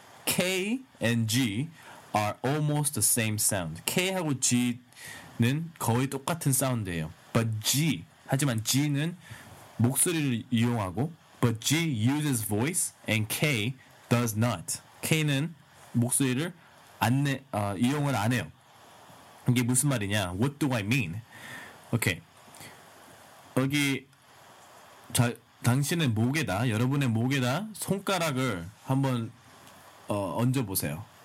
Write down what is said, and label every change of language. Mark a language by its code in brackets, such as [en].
[en] K and G are almost the same sound. [ko] K하고 G는 거의 똑같은 사운드예요. [en] But G uses voice and K does not. [ko] K는 목소리를 이용을 안 해요. 이게 무슨 말이냐? [en] What do I mean? Okay. [ko] 여기 당신의 목에다, 여러분의 목에다 손가락을 한번 얹어 보세요.